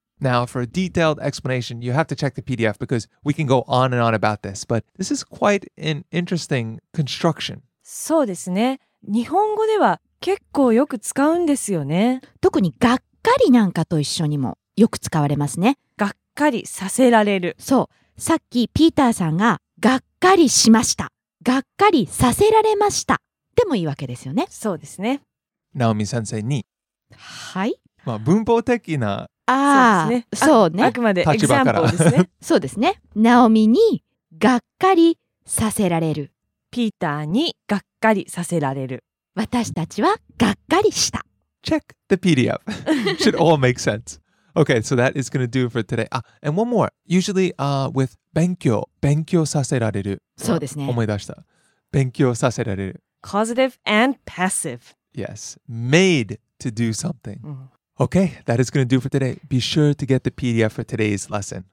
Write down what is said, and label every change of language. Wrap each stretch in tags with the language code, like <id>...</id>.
<en>Now, for a detailed explanation, you have to check the PDF because we can go on and on about this. But this is quite an interesting construction.</en> <ja>そうですね。日本語では結構よく使うんですよね。特にがっかりなんかと一緒にもよく使われますね。がっかりさせられる。そう。さっきピーターさんががっかりしました。がっかりさせられました。でもいいわけですよね。そうですね。ナオミ先生に。はい。まあ文法的な。ああ、そうね。あくまでエグザンプルですね。そうですね。ナオミにがっかりさせられる。ピーターにがっかりさせられる。私たちはがっかりした。</ja> <en>Check the PDF. Should all make sense. Okay, so that is going to do for today. And one more. Usually, with 勉強させられる。</en> <ja>そうですね。思い出した。勉強させられる。</ja> <en>Causative and passive. Yes. Made to do something. Okay, that is going to do for today. Be sure to get the PDF for today's lesson.</en>